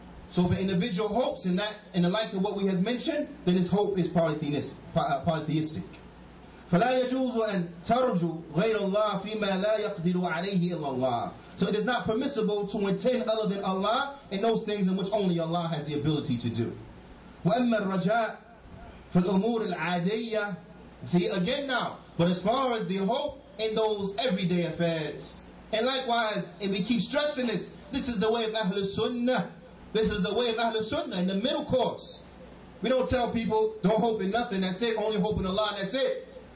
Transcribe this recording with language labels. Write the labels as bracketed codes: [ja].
[en] So if an individual hopes in that, in the light of what we have mentioned, then his hope is polytheistic. [ar] فَلَا يَجُوزُ أَن تَرْجُ غَيْرَ اللَّهِ فِي مَا لَا يَقْدِرُ عَلَيْهِ إِلَّا اللَّهِ. [en] So it is not permissible to intend other than Allah in those things in which only Allah has the ability to do. [ar] وَأَمَّا الرَّجَاءُ فالأمور العادية. [en] See again now, but as far as the hope in those everyday affairs, and likewise, and we keep stressing this, this is the way of Ahlul Sunnah. This is the way of Ahlul Sunnah in the middle course. We don't tell people, don't hope in nothing, that's it, only hope in Allah, that's it.